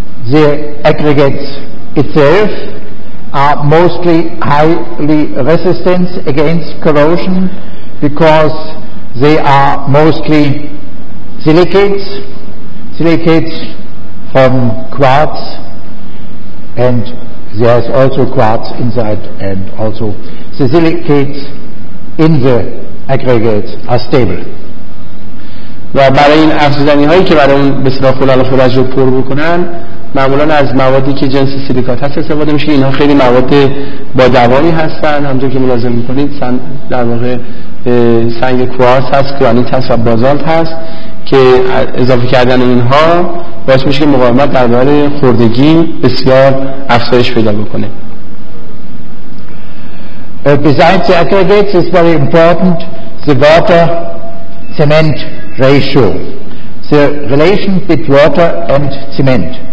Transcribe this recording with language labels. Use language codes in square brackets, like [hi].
[en] The aggregates itself are mostly highly resistant against corrosion because they are mostly silicates from quartz, and there is also quartz inside, and also the silicates in the aggregates are stable. [fa] و برای این افزودنی هایی که برای اون به صدا خلال خلج رو پر بکنن معمولا از موادی که جنس سیلیکات هست استفاده میشه. اینها خیلی مواد با دوامی هستن، همونطور که ملاحظه میکنید در واقع سنگ کوارتز هست، گرانیت هست و بازالت هست که اضافه کردن اینها باعث میشه که مقاومت در برابر خوردگی بسیار افزایش پیدا بکنه. [en] Besides the aggregates, it's very important the water-cement ratio, the relation between water and cement.